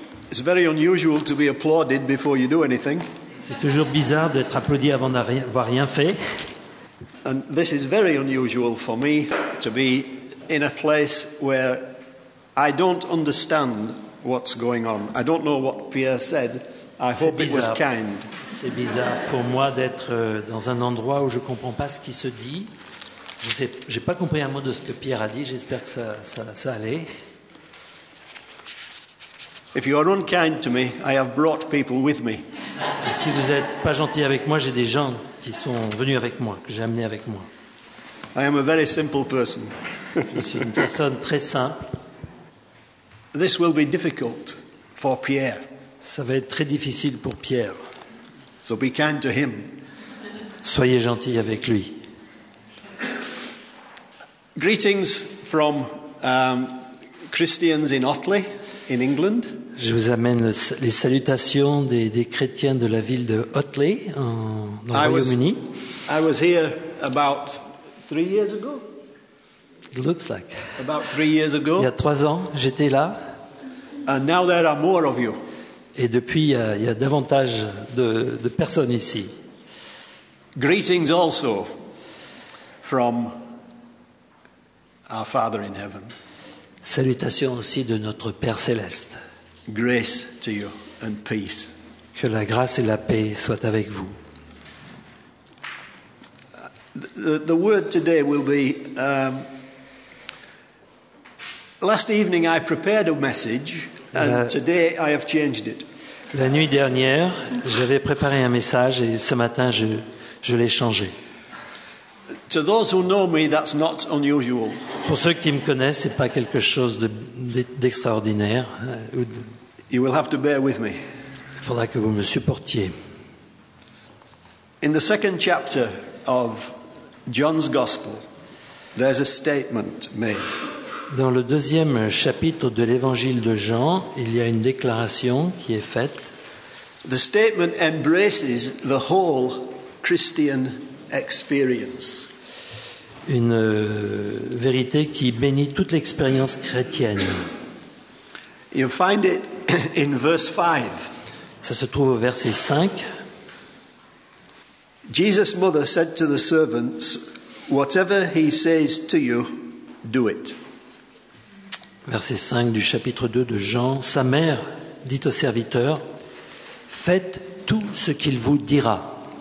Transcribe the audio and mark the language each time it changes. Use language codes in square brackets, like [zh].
[en] It's very unusual to be applauded before you do anything. [fr] C'est toujours bizarre d'être applaudi avant d'avoir rien fait. [en] And this is very unusual for me to be in a place where I don't understand what's going on. I don't know what Pierre said. I hope it was kind. [fr] C'est bizarre pour moi d'être dans un endroit où je ne comprends pas ce qui se dit. Je n'ai pas compris un mot de ce que Pierre a dit. J'espère que ça allait. [en] If you are unkind to me, I have brought people with me. [fr] Et si vous n'êtes pas gentil avec moi, j'ai des gens qui sont venus avec moi, que j'ai amenés avec moi. [en] I am a very simple person. [fr] Je suis une personne très simple. [en] This will be difficult for Pierre. [fr] Ça va être très difficile pour Pierre. [en] So be kind to him. [fr] Soyez gentil avec lui. [en] Greetings from Christians in Otley, in England. [fr] Je vous amène les salutations des chrétiens de la ville de Otley, dans le Royaume-Uni. [en] I was here about 3 years ago. It looks like. About 3 years ago. [fr] Il y a 3 ans, j'étais là. [en] And now there are more of you. [fr] Et depuis, il y a davantage de personnes ici. [en] Greetings also from our Father in heaven. [fr] Salutations aussi de notre Père céleste. [en] Grace to you and peace. [fr] Que la grâce et la paix soient avec vous. [en] The word today will be. Last evening, I prepared a message, and today I have changed it. [fr] La nuit dernière, j'avais préparé un message et ce matin, je l'ai changé. [en] To those who know me, that's not unusual. [fr] Pour ceux qui me connaissent, ce n'est pas quelque chose d'extraordinaire. [en] You will have to bear with me. [fr] Il faudra que vous me supportiez. [en] In the second chapter of John's Gospel, there's a statement made. [fr] Dans le deuxième chapitre de l'évangile de Jean, il y a une déclaration qui est faite. [en] The statement embraces the whole Christian experience. [fr] Une vérité qui bénit toute l'expérience chrétienne. [en] You find it in verse 5. [fr] Ça se trouve au verset 5. [en] Jesus' mother said to the servants, whatever he says to you, do it. [fr] Verset 5 du chapitre 2 de Jean. Sa mère dit au serviteur, faites tout ce qu'il vous dira.